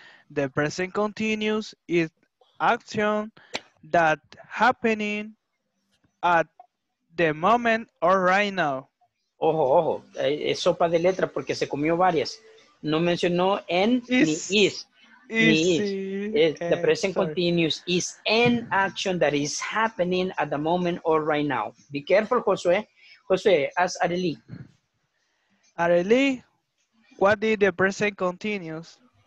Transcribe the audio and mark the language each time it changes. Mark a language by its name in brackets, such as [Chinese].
[English] The present continuous is action that happening at the moment or right now. [Spanish] Ojo. Es sopa de letra porque se comió varias. No mencionó en ni is. [English] The present continuous is an action that is happening at the moment or right now. Be careful, Josué. Josué, ask Areli. Areli, what did the present continuous?